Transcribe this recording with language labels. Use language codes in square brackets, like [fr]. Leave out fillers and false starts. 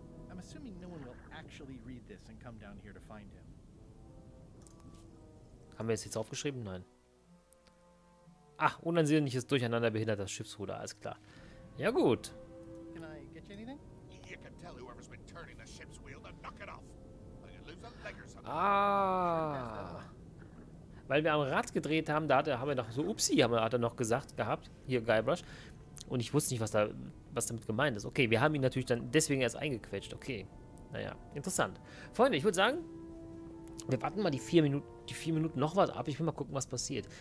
[en] I'm assuming no one will actually read this and come down here to find him. [de] Haben wir es jetzt aufgeschrieben? Nein. Ach, unansehnliches Durcheinander behindert das Schiffsruder, alles klar. Ja gut. [en] Can I get you anything? You can tell whoever's been turning the ship's wheel to knock it off. Or you lose a leg or something. Ah. [de] Weil wir am Rad gedreht haben, da hat er, haben wir noch so, upsie, hat er noch gesagt gehabt, hier Guybrush. Und ich wusste nicht, was damit gemeint ist. Okay, wir haben ihn natürlich dann deswegen erst eingequetscht. Okay, naja, interessant. Freunde, ich würde sagen, wir warten mal die vier Minuten noch was ab. Ich will mal gucken, was passiert.